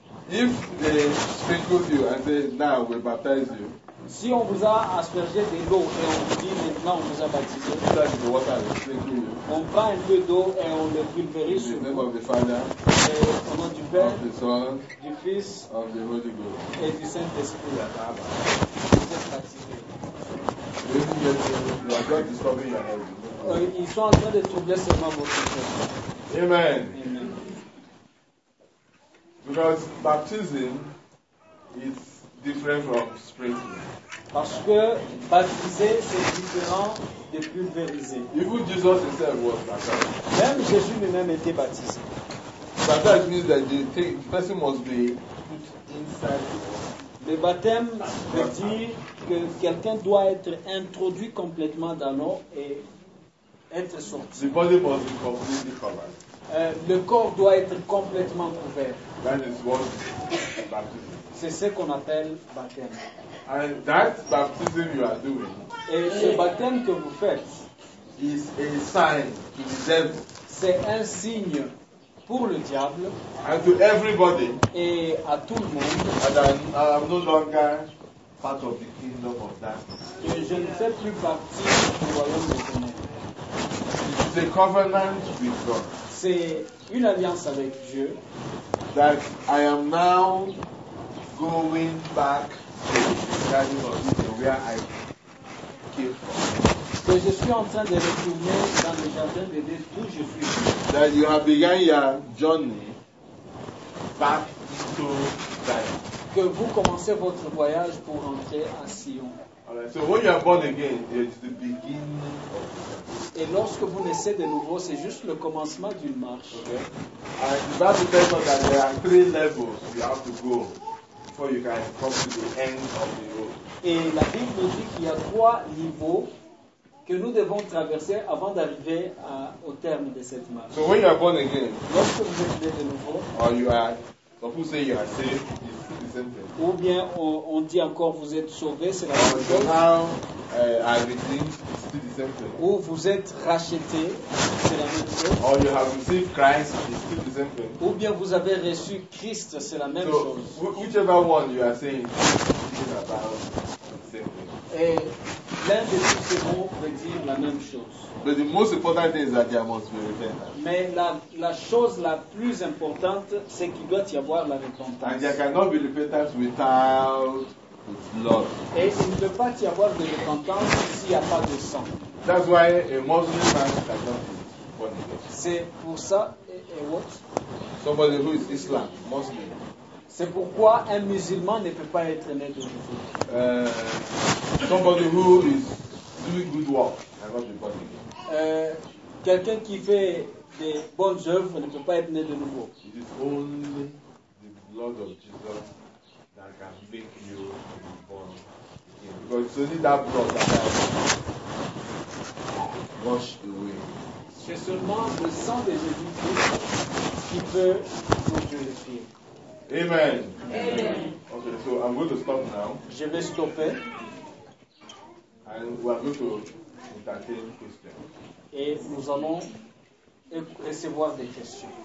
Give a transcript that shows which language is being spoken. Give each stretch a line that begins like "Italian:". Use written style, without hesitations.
English: If they sprinkle you and say, now we baptize you.
French: Si on vous a aspergé de l'eau et on vous dit maintenant on vous a baptisé. On prend un peu d'eau et on le pulvérise sur vous. Au nom du Père,
English: of the Son,
French: du Fils
English: of the Holy Ghost.
French: Et du Saint-Esprit. Vous êtes baptisé. Ils sont en train de troubler seulement votre cœur.
English: Amen. Because baptism is different from sprinkling.
French: Parce que baptiser c'est différent de pulvériser.
English: Even Jesus himself was baptized.
French: Même Jésus lui-même était baptisé.
English: Baptize means that the person must be put inside.
French: Le baptême veut dire que quelqu'un doit être introduit complètement dans l'eau et être sorti.
English: The body must be completely covered.
French: Le corps doit être complètement couvert.
English: That is what baptism.
French: C'est ce qu'on appelle baptême.
English: And that baptism you are doing.
French: Et ce baptême que vous faites
English: is a sign to the devil.
French: C'est un signe pour le diable.
English: And to everybody.
French: Et à tout le monde.
English: And I'm no longer part of the kingdom of darkness.
French: Et je ne fais plus partie du royaume des ténèbres.
English: It's a covenant with God.
French: C'est une alliance avec Dieu.
English: That I am now going back to the garden of Eden where I came from.
French: Que je suis en train de retourner dans le jardin de Dieu d'où je suis.
English: That you have begun your journey back to Zion.
French: Que vous commencez votre voyage pour rentrer à Sion.
English: Alright, so when you are born again, it's the beginning of the journey.
French: Et lorsque vous naissez de nouveau, c'est juste le commencement d'une marche.
English: Okay. And that depends on that there are three levels you have to go before you can come to the end of the road.
French: Et la Bible nous dit qu'il y a trois niveaux que nous devons traverser avant d'arriver à, au terme de cette marche.
English: So when you are born again,
French: lorsque vous êtes né de nouveau,
English: or you are, or people say you are saved, it's the same thing.
French: Ou bien on dit encore vous êtes sauvé, c'est la même chose.
English: Now, everything.
French: Ou vous êtes racheté, c'est la même chose.
English: Or you have received Christ, it's still the same thing.
French: Ou bien vous avez reçu Christ, c'est la même chose.
English: Whichever one you are saying, it's about the same thing.
French: Et l'un des deux mots veut dire la même chose.
English: But the most important thing is that there must be repentance.
French: Mais la chose la plus importante, c'est qu'il doit y avoir la repentance.
English: And there cannot be repentance without blood.
French: Et il ne peut pas y avoir de repentance s'il n'y a pas de sang.
English: That's why a Muslim man cannot be born again.
French: C'est pour ça, et
English: what? Somebody who is Islam, Muslim.
French: C'est pourquoi un musulman ne peut pas être né de nouveau.
English: Somebody who is doing good work cannot be born again.
French: Quelqu'un qui fait des bonnes œuvres ne peut pas être né de nouveau.
English: It is only the blood of Jesus that can make you be born again. Because it's only that blood that has washed away.
French: C'est seulement le sang de Jésus-Christ qui peut vous purifier. Amen. Amen.
English: Okay, so I'm going to stop now.
French: Je vais stopper.
English: And we are going to entertain questions.
French: Et nous allons recevoir des questions.